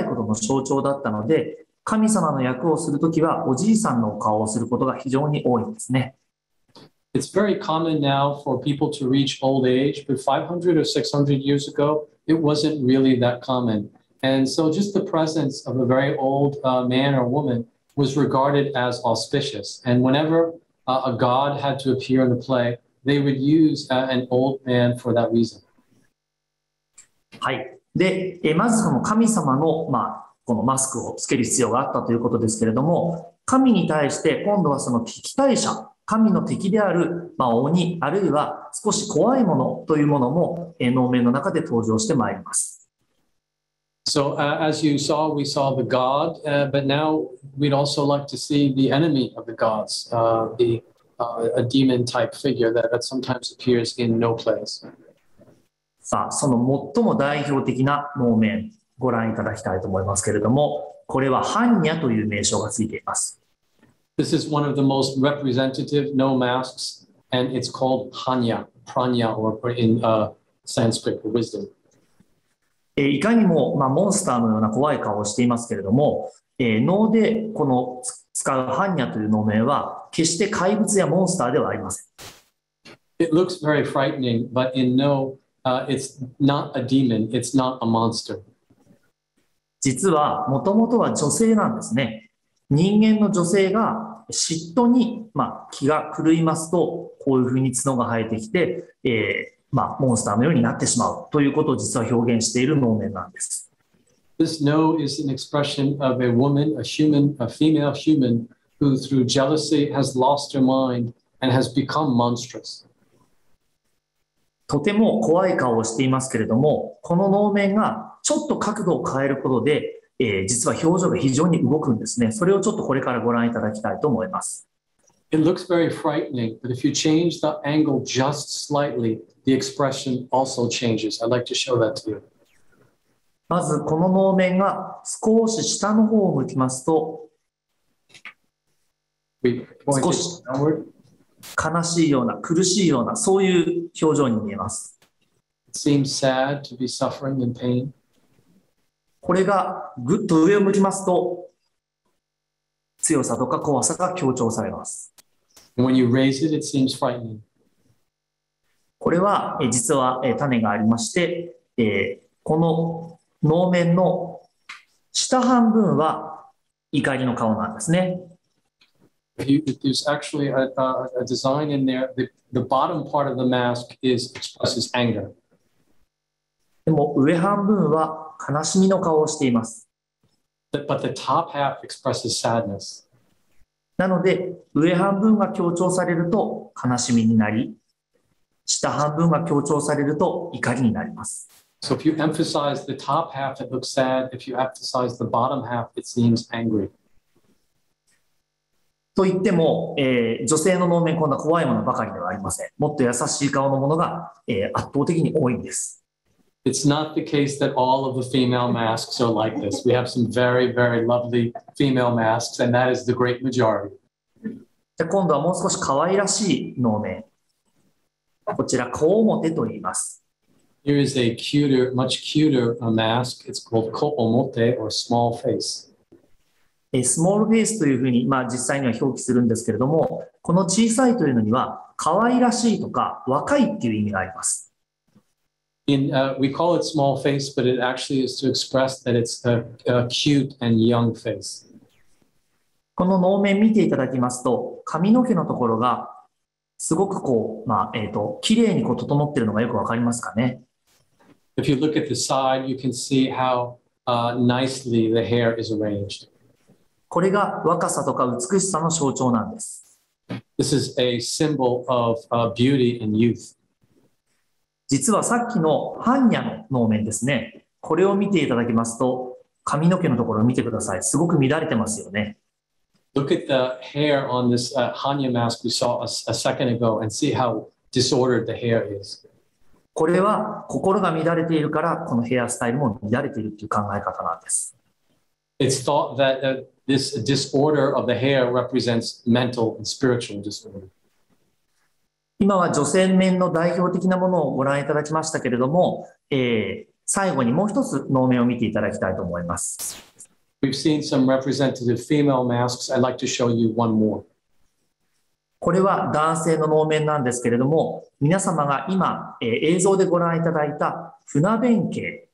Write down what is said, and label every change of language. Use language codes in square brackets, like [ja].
[ja] おじいさんというのは、今はみんな長生きするようになりました。世界中の人たちが。でも、500年、600年以上昔は、おじいさん、あるいはおばあさん、年を重ねるっていうことは、それだけでとてもめでたいことの象徴だったので、 神様の役をするときは、おじいさんの顔をすることが非常に多いんですね。 [en] It's very common now for people to reach old age, but 500 or 600 years ago, it wasn't really that common. And so just the presence of a very old man or woman was regarded as auspicious. And whenever a god had to appear in the play, they would use an old man for that reason. [ja] はい。で、まずその神様の、まあ、 このマスクをつける必要があったということですけれども、神に対して今度はその敵対者、神の敵である、まあ、鬼あるいは少し怖いものというものも、能面の中で登場してまいります。 [en] So as you saw, we saw the god, but now we'd also like to see the enemy of the gods, a demon type figure that sometimes appears in no place. [ja] さあ、その最も代表的な能面、ご覧いただきたいと思いますけれども、これは般若という名称がついています。 [en] This is one of the most representative no masks, and it's called 般若, pranya, or in Sanskrit, wisdom. [ja] いかにも、まあ、モンスターのような怖い顔をしていますけれども、能でこの使う般若という能面は、決して怪物やモンスターではありません。 [en] It looks very frightening, but in no... it's not a demon, it's not a monster. [ja] 実はもともとは女性なんですね。人間の女性が嫉妬に、まあ、気が狂いますと、こういうふうに角が生えてきて、まあ、モンスターのようになってしまうということを実は表現している能面なんです。 [en] This no is an expression of a woman, a human, a female human, who through jealousy has lost her mind and has become monstrous. [ja] とても怖い顔をしていますけれども、この能面がちょっと角度を変えることで、実は表情が非常に動くんですね。それをちょっとこれからご覧いただきたいと思います。 [en] It looks very frightening, but if you change the angle just slightly, the expression also changes. I'd like to show that to you. [ja] まずこの能面が少し下の方を向きますと、少し。悲しいような苦しいようなそういう表情に見えます。 [en] Seems sad to be suffering in pain. [ja] これがぐっと上を向きますと強さとか怖さが強調されます。 [en] When you raise it, it seems frightening. [ja] これは実は種がありまして、この能面の下半分は怒りの顔なんですね。 [en] There's actually a design in there. The bottom part of the mask is expresses anger. [ja] でも上半分は悲しみの顔をしています。 [en] But the top half expresses sadness. [ja] なので上半分が強調されると悲しみになり、下半分が強調されると怒りになります。 [en] So if you emphasize the top half, it looks sad. If you emphasize the bottom half, it seems angry. [ja] と言っても、女性の能面こんな怖いものばかりではありません。もっと優しい顔のものが、圧倒的に多いんです。 [en] It's not the case that all of the female masks are like this. We have some very, very lovely female masks, and that is the great majority. [ja] じゃ今度はもう少し可愛らしい能面。こちら、コウモテと言います。 [en] Here is a cuter, much cuter mask. It's called コウモテ or small face. [ja] スモールフェイスというふうに、まあ、実際には表記するんですけれども、この小さいというのには、可愛らしいとか若いっていう意味があります。 [en] We call it small face, but it actually is to express that it's a cute and young face. [ja] この能面見ていただきますと、髪の毛のところがすごくこう、まあ、きれいにこう整っているのがよくわかりますかね。 [en] If you look at the side, you can see how, nicely the hair is arranged. [ja] これが若さとか美しさの象徴なんです。 [en] This is a symbol of beauty and youth. [ja] 実はさっきの般若の能面ですね。これを見ていただきますと、髪の毛のところを見てください。すごく乱れてますよね。 [en] Look at the hair on this Hanya mask we saw a second ago and see how disordered the hair is. [ja] これは心が乱れているから、このヘアスタイルも乱れているという考え方なんです。 [en] It's thought that This disorder of the hair represents mental and spiritual disorder. [ja] 今は女性面の代表的なものをご覧いただきましたけれども、最後にもう一つ能面を見ていただきたいと思います。 [en] We've seen some representative female masks. I'd like to show you one more. [ja] これは男性の能面なんですけれども、皆様が今、映像でご覧いただいた船弁慶。